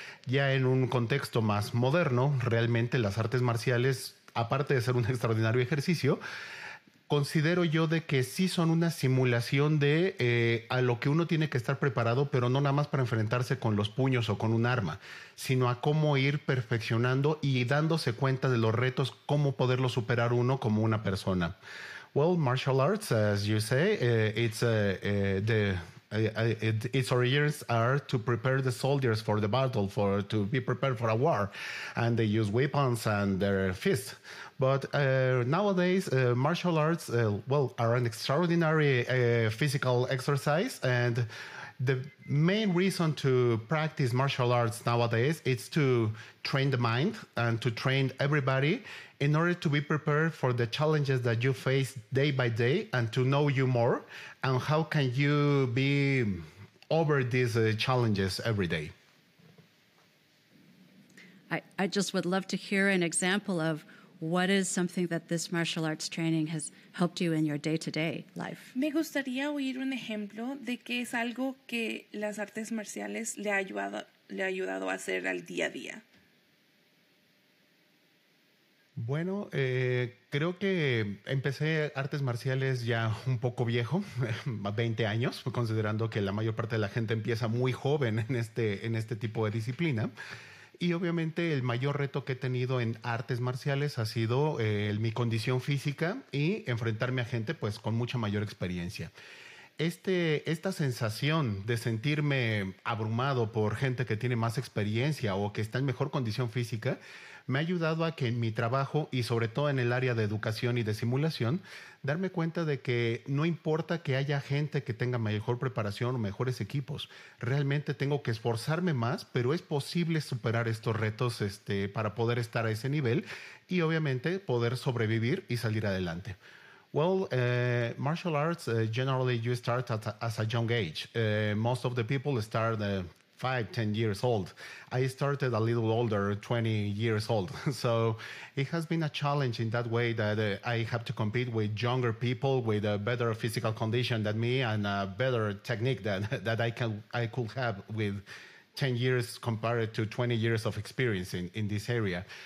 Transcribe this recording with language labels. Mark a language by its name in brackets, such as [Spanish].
[Spanish] Ya en un contexto más moderno, realmente las artes marciales, aparte de ser un extraordinario ejercicio, considero yo de que sí son una simulación de a lo que uno tiene que estar preparado, pero no nada más para enfrentarse con los puños o con un arma, sino a cómo ir perfeccionando y dándose cuenta de los retos, cómo poderlo superar uno como una persona. [English] Well, martial arts, as you say, its origins are to prepare the soldiers for the battle, for to be prepared for a war, and they use weapons and their fists. But nowadays, martial arts, are an extraordinary physical exercise. And the main reason to practice martial arts nowadays is to train the mind and to train everybody in order to be prepared for the challenges that you face day by day and to know you more. And how can you be over these challenges every day? I just would love to hear an example of what is something that this martial arts training has helped you in your day-to-day life? [Spanish] Me gustaría oír un ejemplo de qué es algo que las artes marciales le ha ayudado a hacer al día a día. Bueno, creo que empecé artes marciales ya un poco viejo, 20 años, considerando que la mayor parte de la gente empieza muy joven en este tipo de disciplina. Y obviamente el mayor reto que he tenido en artes marciales ha sido mi condición física y enfrentarme a gente pues con mucha mayor experiencia. Esta sensación de sentirme abrumado por gente que tiene más experiencia o que está en mejor condición física me ha ayudado a que en mi trabajo y sobre todo en el área de educación y de simulación, darme cuenta de que no importa que haya gente que tenga mejor preparación o mejores equipos, realmente tengo que esforzarme más, pero es posible superar estos retos para poder estar a ese nivel y obviamente poder sobrevivir y salir adelante. [English] Well, martial arts, generally you start as a young age. Most of the people start 5, 10 years old. I started a little older, 20 years old. So it has been a challenge in that way that I have to compete with younger people with a better physical condition than me and a better technique that I could have with 10 years compared to 20 years of experience in this area.